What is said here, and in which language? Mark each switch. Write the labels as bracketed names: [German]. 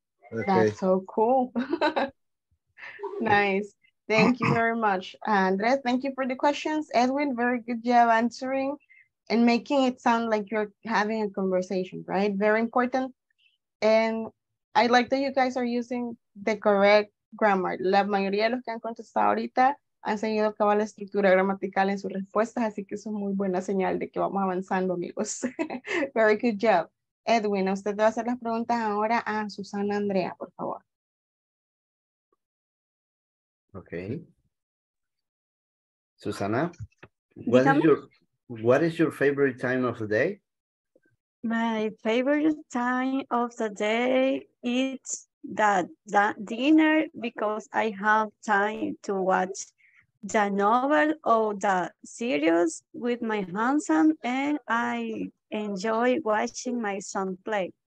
[English] Okay. That's so cool. Nice. Thank you very much, Andres. Thank you for the questions. Edwin, very good job answering and making it sound like you're having a conversation, right? Very important. And I like that you guys are using the correct grammar. [Spanish] La mayoría de los que han contestado ahorita han seguido cabal la estructura gramatical en sus respuestas, así que eso es muy buena señal de que vamos avanzando, amigos. [English] Very good job. [Spanish] Edwin, usted va a hacer las preguntas ahora a Susana Andrea, por favor. [English] Okay. Susana, what is your favorite time of the day? My favorite time of the day is that dinner because I have time to watch the novel or the series with my handsome and I enjoy watching my son play.